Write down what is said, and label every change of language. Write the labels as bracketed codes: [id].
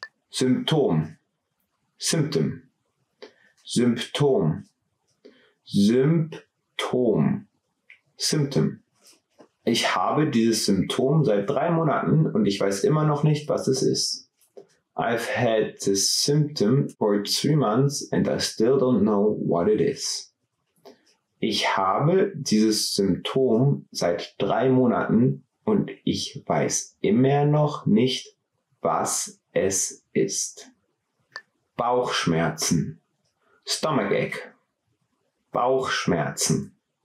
[de] Symptom. Symptom. Symptom. Symptom. Symptom. Ich habe dieses Symptom seit 3 Monaten und ich weiß immer noch nicht, was es ist. [en] I've had this symptom for 3 months and I still don't know what it is. [de] Ich habe dieses Symptom seit 3 Monaten und ich weiß immer noch nicht, was es ist. Bauchschmerzen. [en] Stomachache. [de] Bauchschmerzen.